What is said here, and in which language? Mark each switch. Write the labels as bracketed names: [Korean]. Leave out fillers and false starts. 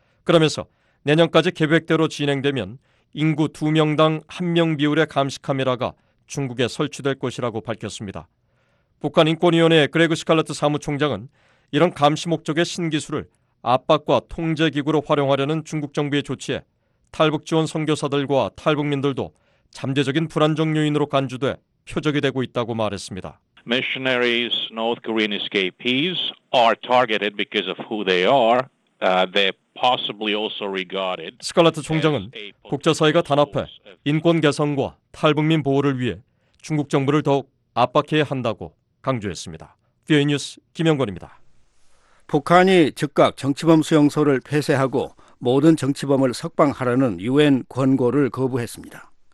[Korean] 그러면서 내년까지 계획대로 진행되면 인구 2명당 1명 비율의 감시 카메라가 중국에 설치될 것이라고 밝혔습니다. 북한인권위원회의 그레그 시칼라트 사무총장은 이런 감시 목적의 신기술을 압박과 통제기구로 활용하려는 중국 정부의 조치에 탈북 지원 선교사들과 탈북민들도 잠재적인 불안정 요인으로 간주돼 표적이 되고 있다고 말했습니다. [English] Missionaries, North Korean escapees are targeted because of who they are. They're possibly also regarded. [Korean] 시칼라트 총장은 국제사회가 단합해 인권 개선과 탈북민 보호를 위해 중국 정부를 더욱 압박해야 한다고 강조했습니다. VOA 뉴스 김영건입니다. 북한이 즉각 정치범 수용소를 폐쇄하고 모든 정치범을 석방하라는 유엔 권고를 거부했습니다.